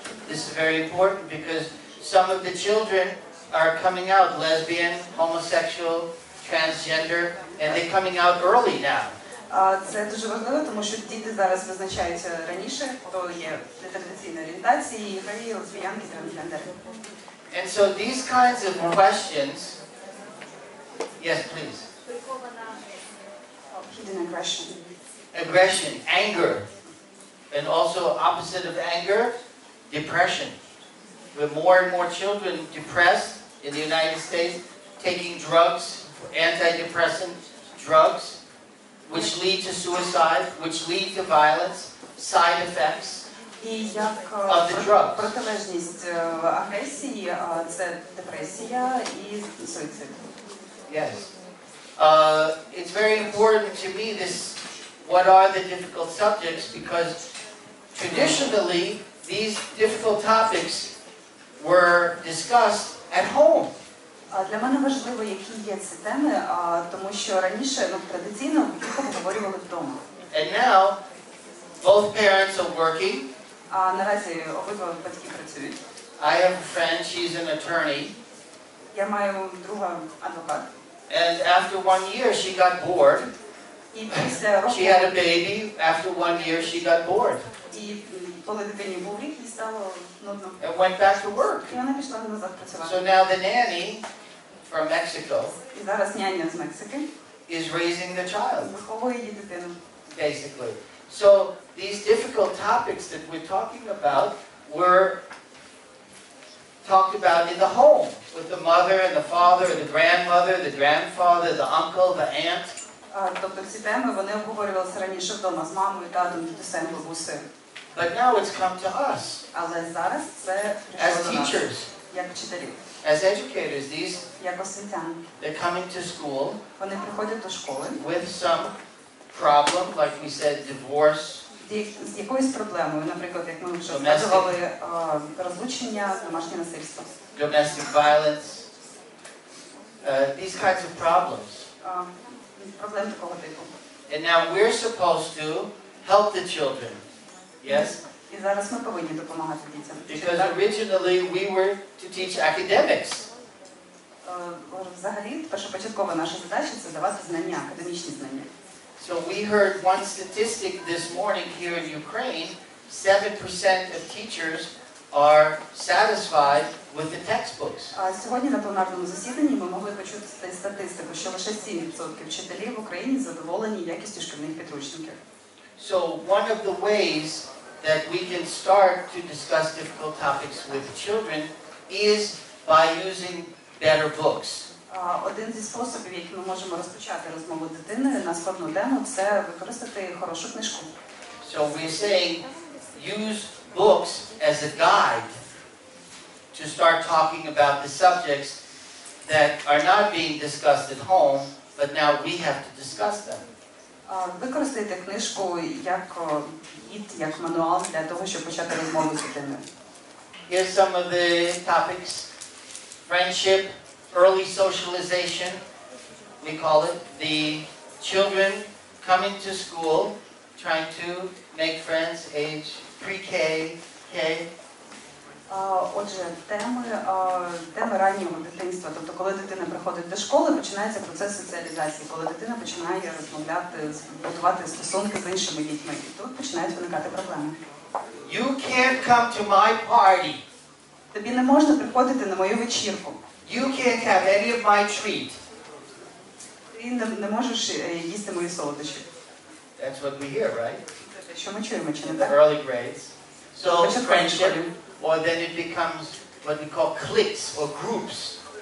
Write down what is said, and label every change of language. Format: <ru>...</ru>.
<en>This is very important because some of the children are coming out lesbian, homosexual, transgender, and they're coming out early now.</en> <uk>Це дуже важливо, тому що діти зараз визначаються раніше, хто є нетрадиційної орієнтації, гей, лесбіянки, трансгендери.</uk> <en>And so these kinds of questions Yes, please. Hidden aggression. Aggression, anger. And also opposite of anger, depression. With more and more children depressed in the United States, taking drugs, antidepressant drugs, which lead to suicide, which lead to violence, side effects of the drugs.</en> <uk>Протилежність агресії – це депресія і суїцид. Yes.</uk> <en>It's very important to me, this, what are the difficult subjects, because traditionally, these difficult topics were discussed at home.</en> <uk>Для мене важливо, які є ці теми, тому що раніше, ну, традиційно, їх обговорювали вдома.</uk> <en>And now, both parents are working.</en> <uk>Наразі обидва батьки працюють.</uk> <en>I have a friend, she's an attorney.</en> <uk>Я маю друга адвокат.</uk> <en>And after 1 year, she got bored.</en> <uk>І після року...</uk> <en>She had a baby, after 1 year, she got bored.</en> <uk>І коли дитині був рік, їй стало нудно.</uk> <en>And went back to work.</en> <uk>І вона пішла назад працювати.</uk> <en>So now the nanny, from Mexico,</en> <uk>і зараз няня з Мексики,</uk> <en>is raising the child.</en> <uk>Виховує її дитину.</uk> <en>Basically. So, these difficult topics that we're talking about were talked about in the home, with the mother and the father, the grandmother, the grandfather, the uncle, the aunt.</en> <uk>Тобто ці теми, вони обговорювалися раніше вдома, з мамою, татом, дідусем, бабусею.</uk> <en>But now it's come to us.</en> <uk>Але зараз це прийшло до нас.</uk> <en>As teachers.</en> <uk>Як вчителів.</uk> <en>As educators, these...</en> <uk>Як освітяни.</uk> <en>They're coming to school.</en> <uk>Вони приходять до школи.</uk> <en>With some problem, like we said, divorce.</en> <uk>З якоюсь проблемою, наприклад, як ми вже згадували, розлучення, домашнє насильство.</uk> <en>Domestic violence. These kinds of problems.</en> <uk>Проблем такого типу.</uk> <en>And now we're supposed to help the children. Yes?</en> <uk>І зараз ми повинні допомагати дітям.</uk> <en>Because originally we were to teach academics.</en> <uk>Взагалі, першопочаткова наша задача – це давати знання, академічні знання.</uk> <en>So we heard one statistic this morning here in Ukraine, 7% of teachers are satisfied with the textbooks.</en> <uk>Сьогодні на пленарному засіданні ми могли почути статистику, що лише 7% вчителів в Україні задоволені якістю шкільних підручників.</uk> <en>So one of the ways that we can start to discuss difficult topics with children is by using better books.</en> <uk>Один зі способів, яким ми можемо розпочати розмову з дитиною на складну тему, це використати хорошу книжку.</uk> <en>So we say use books as a guide to start talking about the subjects that are not being discussed at home, but now we have to discuss them.</en> <uk>Використати книжку як гід, як мануал для того, щоб почати розмову з дитиною.</uk> <en>Here's some of the topics. Friendship, early socialization, we call it, the children coming to school, trying to make friends, age pre-K, K.</en> <uk>Отже, теми раннього дитинства, тобто коли дитина приходить до школи, починається процес соціалізації, коли дитина починає розмовляти, будувати стосунки з іншими дітьми, тут починають виникати проблеми.</uk> <en>You can't come to my party.</en> <uk>Тобі не можна приходити на мою вечірку.</uk> <en>You can't have any of my treat.</en> <uk>Ти не можеш їсти мої солодощі.</uk> <en>That's what we hear, right?</en> <uk>Що ми чуємо, чи не так?</uk> <en>In the early grades. So friendship, or then it becomes what we call cliques or groups.</en>